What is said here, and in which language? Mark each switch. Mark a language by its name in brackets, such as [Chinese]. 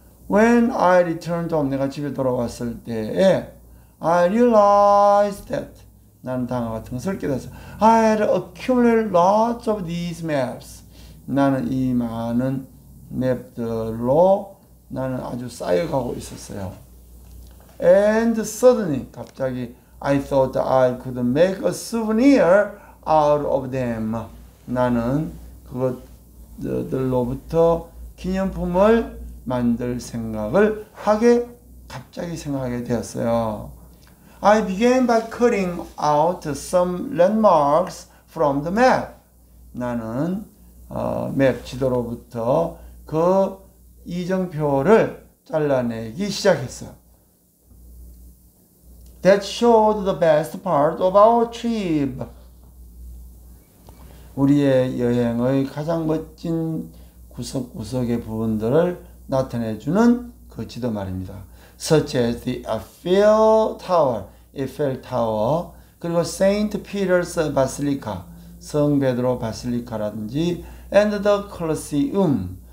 [English] When I returned home, [Korean] 내가 집에 돌아왔을 때에 [English] I realized that [Korean] 나는 다음과 같은 것을 깨달았어. [English] I had accumulated lots of these maps. [Korean] 나는 이 많은 맵들로 나는 아주 쌓여가고 있었어요. [English] And suddenly, [Korean] 갑자기, [English] I thought I could make a souvenir out of them. [Korean] 나는 그것들로부터 기념품을 만들 생각을 하게, 갑자기 생각하게 되었어요. [English] I began by cutting out some landmarks from the map. [Korean] 나는, 맵 지도로부터 그 이정표를 잘라내기 시작했어. [English] That showed the best part of our trip. [Korean] 우리의 여행의 가장 멋진 구석구석의 부분들을 나타내주는 그 지도 말입니다. [English] Such as the Eiffel Tower, [Korean] 그리고 [English] Saint Peter's Basilica, 성베드로 바실리카라든지, and the Colosseum.